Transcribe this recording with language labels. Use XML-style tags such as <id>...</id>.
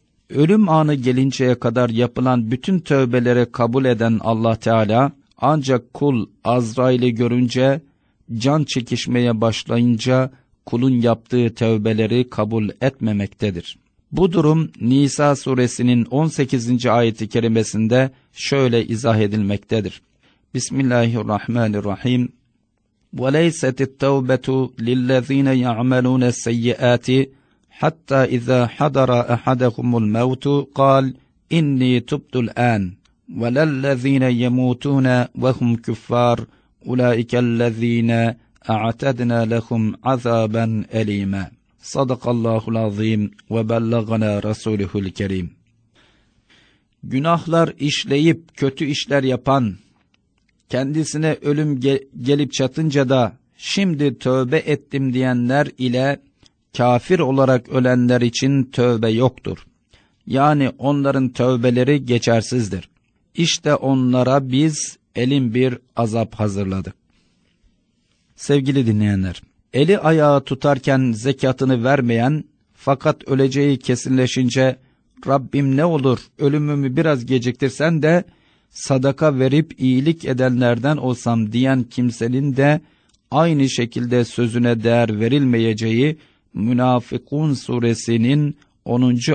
<tr>Ölüm anı gelinceye kadar yapılan bütün tövbelere kabul eden Allah Teala, ancak kul Azrail'i görünce, can çekişmeye başlayınca kulun yaptığı tövbeleri kabul etmemektedir. Bu durum Nisa suresinin 18. ayeti kerimesinde şöyle izah edilmektedir.</tr> <ar>Bismillahirrahmanirrahim. وَلَيْسَتِ التَّوْبَةُ لِلَّذ۪ينَ يَعْمَلُونَ السَّيِّئَاتِ حَتَّى اِذَا حَدَرَ أَحَدَهُمُ الْمَوْتُ قَالْ اِنِّي تُبْتُ الْآنِ وَلَلَّذ۪ينَ يَمُوتُونَ وَهُمْ كُفَّارُ اُولَٰئِكَ الَّذ۪ينَ اَعْتَدْنَا لَهُمْ عَذَابًا اَل۪يمًا صَدَقَ اللّٰهُ الْعَظ۪يمُ وَبَلَّغَنَا رَسُولُهُ الْكَر۪يمُ</ar> <tr>Günahlar işleyip kötü işler yapan, kendisine ölüm gelip çatınca da şimdi tövbe ettim diyenler ile kafir olarak ölenler için tövbe yoktur. Yani onların tövbeleri geçersizdir. İşte onlara biz elin bir azap hazırladık. Sevgili dinleyenler, eli ayağı tutarken zekatını vermeyen, fakat öleceği kesinleşince, Rabbim ne olur ölümümü biraz geciktirsen de sadaka verip iyilik edenlerden olsam diyen kimsenin de aynı şekilde sözüne değer verilmeyeceği Münafıkun suresinin 10.</tr>